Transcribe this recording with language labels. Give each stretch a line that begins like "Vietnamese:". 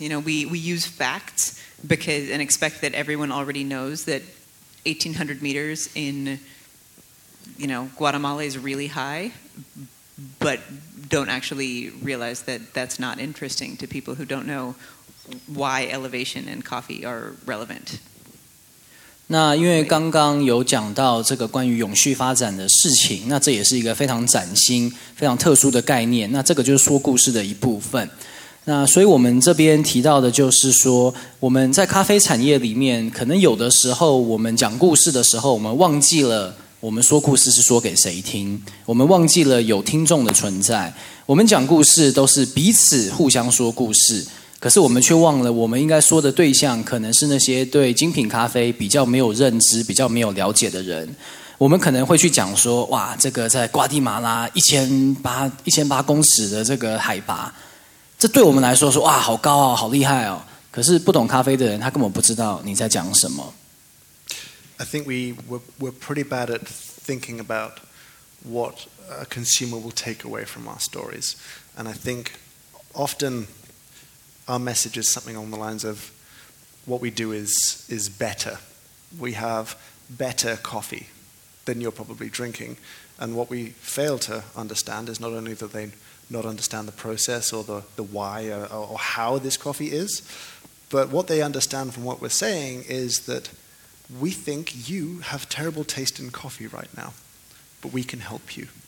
English: You know, we use facts because and expect that everyone already knows that 1800 meters in, you know, Guatemala is really high, but don't actually realize that that's not interesting to people who don't know why elevation and coffee are relevant.
Chinese: 那因为刚刚有讲到这个关于永续发展的事情，那这也是一个非常崭新非常特殊的概念，那这个就是说故事的一部分。那所以我们这边提到的就是说，我们在咖啡产业里面，可能有的时候我们讲故事的时候，我们忘记了我们说故事是说给谁听，我们忘记了有听众的存在，我们讲故事都是彼此互相说故事，可是我们却忘了我们应该说的对象可能是那些对精品咖啡比较没有认知比较没有了解的人。我们可能会去讲说，哇，这个在瓜地马拉1800公尺的这个海拔，这对我们来说说哇好高哦好厉害哦，可是不懂咖啡的人他根本不知道你在讲什么。
English: I think we're pretty bad at thinking about what a consumer will take away from our stories, and I think often our message is something along the lines of what we do is better, we have better coffee than you're probably drinking, and what we fail to understand is not only that they not understand the process or the why or how this coffee is, but what they understand from what we're saying is that we think you have terrible taste in coffee right now, but we can help you.